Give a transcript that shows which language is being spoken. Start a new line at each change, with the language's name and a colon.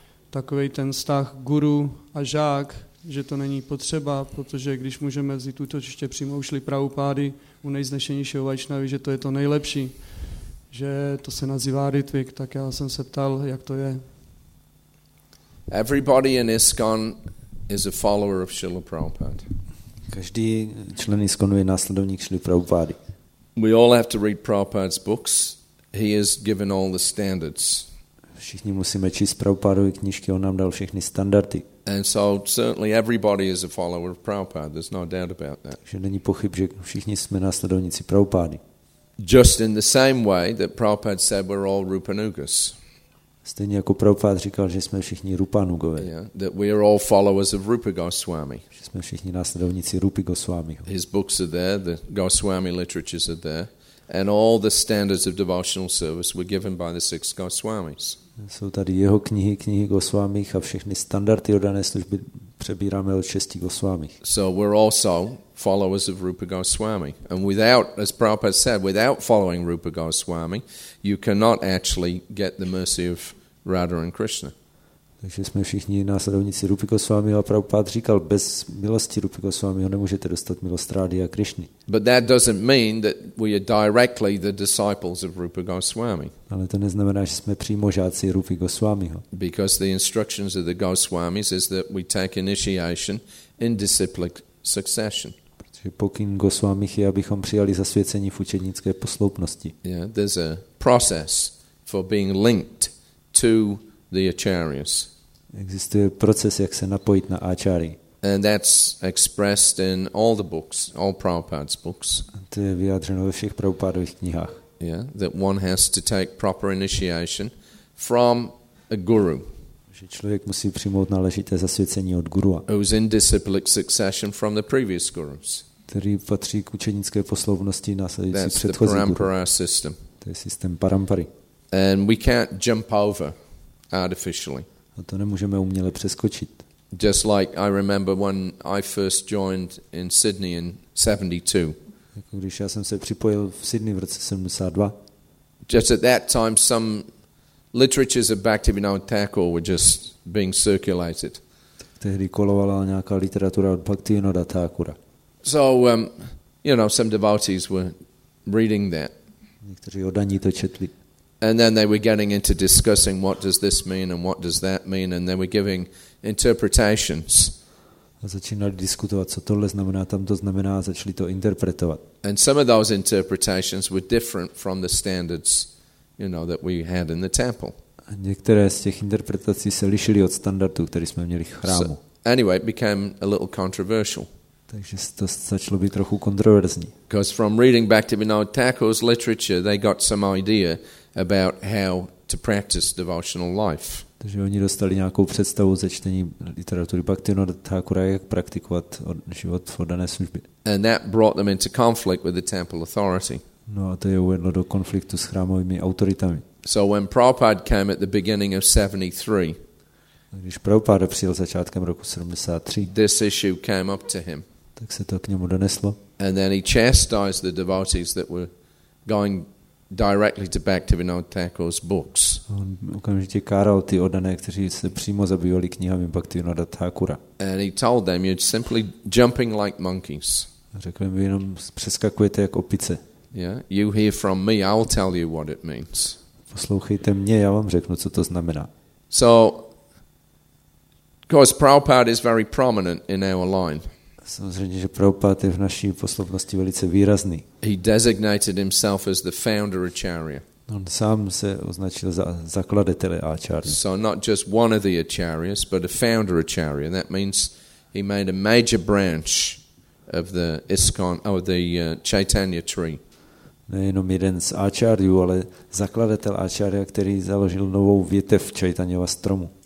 Czech: takový ten vztah guru a žák, že to není potřeba, protože když můžeme vzít útočiště přímo u Šly Prabhupády u nejznešenějšího Vaishnavy, že to je to nejlepší. Že to se nazývá ritvik, tak já jsem se ptal, jak to je.
English: Everybody in ISKCON is a follower of Srila Prabhupada.
Czech: Každý člen ISKCONu je následovník Srila Prabhupady.
English: We all have to read Prabhupada's books. He has given all the standards.
Czech: Všichni musíme číst Prabhupádovy knížky, on nám dal všechny standardy.
English: And so certainly everybody is a follower of Prabhupada. There's no doubt about that.
Czech: Že není pochyb, že všichni jsme následovníci Prabhupady.
English: Just in the same way that Prabhupada said we're all Rupanugas.
Czech: Stejně jako Prabhupada říkal, že jsme všichni Rupanugové.
English: Yeah, that we are all followers of Rupa Goswami.
Czech: Že jsme všichni následovníci Rupy Goswamiho.
English: His books are there, the Goswami literatures are there, and all the standards of devotional service were given by the six Goswamis.
Czech: Jsou tady jeho knihy, knihy Goswamich, a všechny standardy oddané služby přebíráme od šesti Goswamich.
English: So we're also followers of Rupa Goswami. And without, as Prabhupada said, without following Rupa Goswami, you cannot actually get the mercy of Radha and Krishna.
Czech: Takže jsme všichni následovníci Rupy Gosvámiho a Prabhupád říkal, bez milosti Rupy Gosvámiho nemůžete dostat milost Rády a Krišny.
English: But that doesn't mean that we are directly the disciples of Rupa Goswami.
Czech: Ale to neznamená, že jsme přímo žáci Rupy Gosvámiho.
English: Because the instructions of the Goswamis is that we take initiation in disciplic succession.
Czech: Protože pokyn Gosvámich je, abychom přijali zasvěcení v učednické posloupnosti.
English: Yeah, there's a process for being linked to the acharyas.
Czech: Existuje proces, jak se napojit na áčary.
English: And that's expressed in all the books, all Prabhupada's books.
Czech: To je vyjádřeno ve všech Prabhupádových knihách.
English: Yeah, that one has to take proper initiation from a guru.
Czech: Že člověk musí přijmout náležité zasvěcení od gurua.
English: Who's in disciplic succession from the previous gurus.
Czech: Který patří k učenické posloupnosti následující předchozí guru.
English: That's the parampara system.
Czech: To je systém parampary.
English: And we can't jump over artificially.
Czech: A to nemůžeme uměle přeskočit.
English: Just like I remember when I first joined in Sydney in 72.
Czech: Jako když já jsem se připojil v Sydney v roce 72.
English: Just at that time some literatures of Bhaktivinoda Thakur were just being circulated.
Czech: Tehdy kolovala nějaká literatura od Bhaktivinoda Thakura.
English: So you know, some devotees were reading that.
Czech: Někteří oddaní to četli.
English: And then they were getting into discussing what does this mean and what does that mean, and they were giving interpretations.
Czech: A začínali diskutovat, co tohle znamená, tamto znamená, a začali to interpretovat.
English: And some of those interpretations were different from the standards, you know, that we had in the temple.
Czech: A některé z těch interpretací se lišily od standardů, které jsme měli v chrámu.
English: So, anyway, it became a little controversial.
Czech: Takže to začalo být trochu kontroverzní.
English: Because from reading Bhaktivinoda Thakur's literature, they got some idea about how to practice devotional life.
Czech: Takže oni dostali nějakou představu ze čtení literatury Bhaktivinoda Thakura, jak praktikovat život v oddané službě.
English: And that brought them into conflict with the temple authority.
Czech: No a to je uvedlo do konfliktu s chrámovými autoritami.
English: So when Prabhupada came at the beginning of 73,
Czech: když Prabhupada přijel začátkem roku 73,
English: this issue came up to him.
Czech: Tak se to k němu doneslo.
English: And then he chastised the devotees that were going directly to Bhaktivinoda Thakur's books.
Czech: On okamžitě káral ty oddané, kteří se přímo zabývali knihami Bhaktivinoda Thakura.
English: And he told them, you're simply jumping like monkeys.
Czech: Řekl jim, jenom přeskakujete jako opice.
English: Yeah, you hear from me, I'll tell you what it means.
Czech: Poslouchejte mě, já vám řeknu, co to znamená.
English: So, of course, Prabhupada is very prominent in our line.
Czech: Samozřejmě, že Prabhupada je v naší poslovnosti velice výrazný.
English: He designated himself as the founder acharya.
Czech: On sám se označil za zakladatele acharya.
English: So not just one of the acharyas, but a founder acharya. That means he made a major branch of the ISKCON, or the Chaitanya tree.
Czech: Nejenom jeden z acharyů, ale zakladatel acharya, který založil novou větev Chaitanyova stromu.